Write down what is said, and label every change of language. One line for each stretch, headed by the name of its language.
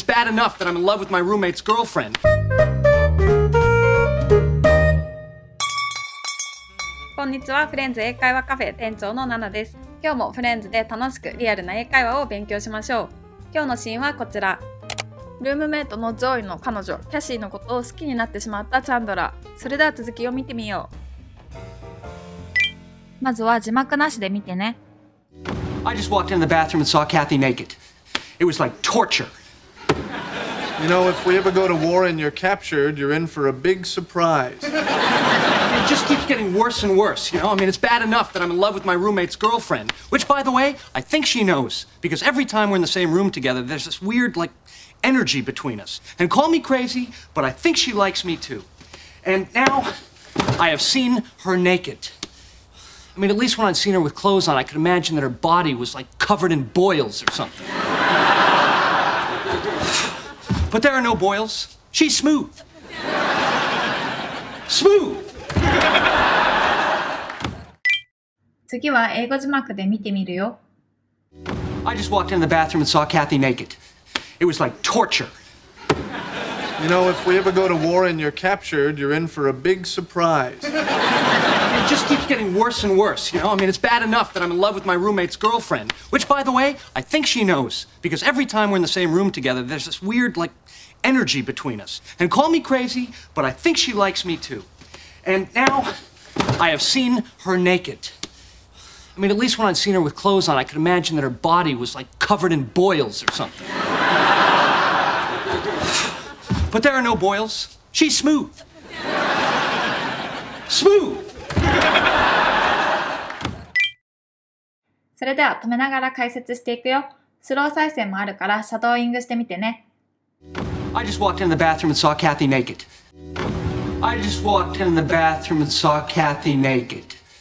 English: bad enough that I'm in love with my roommate's girlfriend.
Japanese: こんにちは、フレンズ英会話カフェ店長のナナです。今日もフレンズで楽しくリアルな英会話を勉強しましょう。今日のシーンはこちら。ルームメイトのジョイの彼女、キャシーのことを好きになってしまったチャンドラ。それでは続きを見てみよう。まずは字幕なしで見てね。
English: I just walked in the bathroom and saw Kathy naked. It was like torture. You know, if we ever go to war and you're captured, you're in for a big surprise. It just keeps getting worse and worse, you know? I mean, it's bad enough that I'm in love with my roommate's girlfriend, which, by the way, I think she knows, because every time we're in the same room together, there's this weird, like, energy between us. And call me crazy, but I think she likes me too. And now I have seen her naked. I mean, at least when I'd seen her with clothes on, I could imagine that her body was, like, covered in boils or something. But there are no boils. She's smooth. Smooth!
Japanese: 次は英語字幕で見てみるよ。
English: I just walked in the bathroom and saw Kathy naked. It was like torture. You know, if we ever go to war and you're captured, you're in for a big surprise. It just keeps getting worse and worse, you know? I mean, it's bad enough that I'm in love with my roommate's girlfriend, which, by the way, I think she knows, because every time we're in the same room together, there's this weird, like, energy between us. And call me crazy, but I think she likes me too. And now I have seen her naked. I mean, at least when I'd seen her with clothes on, I could imagine that her body was, like, covered in boils or something. But there are no boils. She's smooth. Smooth!
Japanese: それでは止めながら解説していくよ。スロー再生もあるからシャドーイングしてみてね。
English: I just walked in the bathroom and saw Kathy naked. I just walked in the bathroom and saw Kathy naked.